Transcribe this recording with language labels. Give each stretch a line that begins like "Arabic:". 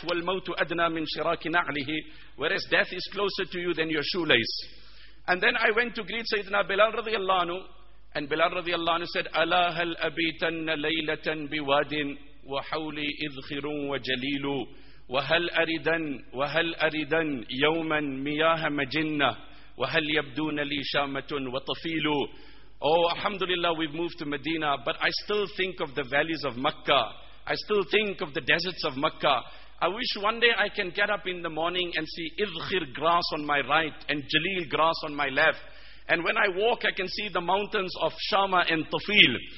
Arabic: وَالْمَوْتُ أَدْنَى مِنْ شِرَاكِ نَعْلِهِ,
English: whereas death is closer to you than your shoelace. And then I went to greet Sayyidina Bilal radiallahu anhu, and Bilal radiallahu anhu said,
Arabic: أَلَا هَلْ أَبِيتَنَّ لَيْلَةً بِوَادٍ وَحَوْلِي إِذْخِرٌ وَجَلِيلُ وَهَلْ أَرِدًا وَهَلْ أَرِدًا يَوْمًا مِيَاهَ مَجِنَّةً وَهَلْ يَبْدُونَ لِي شَامَةٌ وَطَفِيلُ.
English: Oh, alhamdulillah, we've moved to Medina, but I still think of the valleys of Makkah. I still think of the deserts of Makkah. I wish one day I can get up in the morning and see Idhir grass on my right and Jalil grass on my left. And when I walk, I can see the mountains of Shama and Tafil.